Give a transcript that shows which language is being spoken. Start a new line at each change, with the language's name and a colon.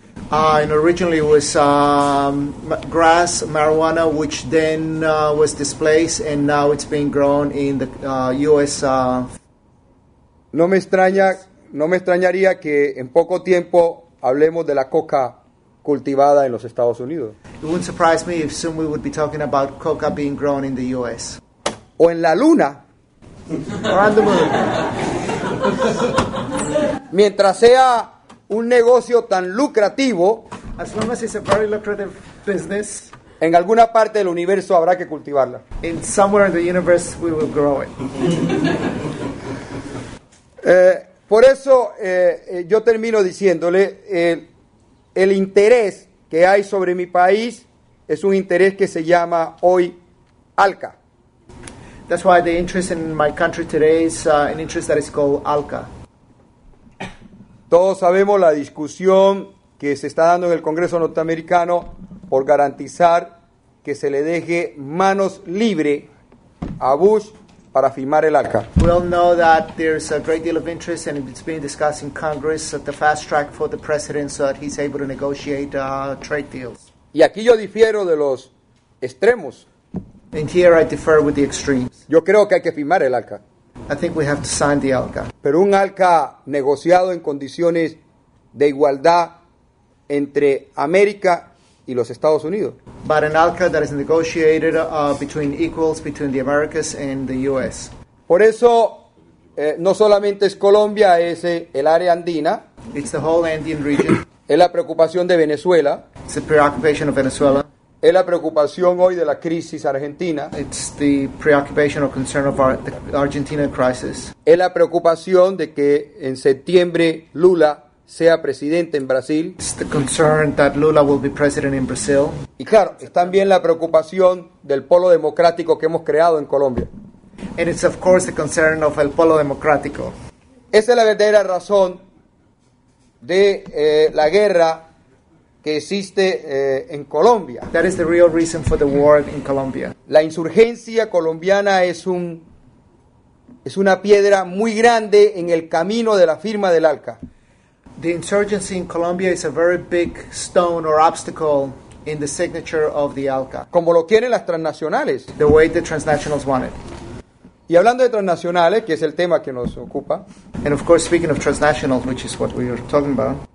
English: And originally it was grass, marijuana, which then was displaced, and now it's being grown in the U.S.
Spanish: No me extrañaría que en poco tiempo hablemos de la coca cultivada en los Estados Unidos.
English: It wouldn't surprise me if soon we would be talking about coca being grown in the U.S.
Spanish: O en la luna.
English: Or on the moon.
Spanish: Mientras sea un negocio tan lucrativo,
English: as long as it's a very lucrative business,
Spanish: en alguna parte del universo habrá que cultivarla.
English: In somewhere in the universe we will grow it.
Spanish: Por eso yo termino diciéndole el interés que hay sobre mi país es un interés que se llama hoy ALCA.
English: That's why the interest in my country today is an interest that is called ALCA.
Spanish: Todos sabemos la discusión que se está dando en el Congreso norteamericano por garantizar que se le deje manos libres a Bush para firmar el ALCA.
English: We all know that there's a great deal of interest and it's being discussed in Congress at the fast track for the president so that he's able to negotiate trade deals.
Spanish: Y aquí yo difiero de los extremos.
English: And here I differ with the extremes.
Spanish: Yo creo que hay que firmar el ALCA.
English: I think we have to sign the ALCA.
Spanish: Pero un ALCA negociado en condiciones de igualdad entre América y los Estados Unidos.
English: But an ALCA that is negotiated between equals between the Americas and the U.S.
Spanish: Por eso, no solamente es Colombia, es el área andina.
English: It's the whole Andean region.
Spanish: Es la preocupación de Venezuela.
English: It's the preoccupation of Venezuela.
Spanish: Es la preocupación hoy de la crisis argentina.
English: It's the preoccupation or concern of the Argentina crisis.
Spanish: Es la preocupación de que en septiembre Lula sea presidente en Brasil.
English: It's the concern that Lula will be president in Brazil.
Spanish: Y claro, es también la preocupación del polo democrático que hemos creado en Colombia.
English: And it's of course the concern of el polo democrático.
Spanish: Esa es la verdadera razón de la guerra que existe en Colombia.
English: That is the real reason for the war in Colombia.
Spanish: La insurgencia colombiana es una piedra muy grande en el camino de la firma del ALCA.
English: The insurgency in Colombia is a very big stone or obstacle in the signature of the ALCA.
Spanish: Como lo quieren las transnacionales.
English: The way the transnationals want it.
Spanish: Y hablando de transnacionales, que es el tema que nos ocupa.
English: And of course, speaking of transnationals, which is what we are talking about.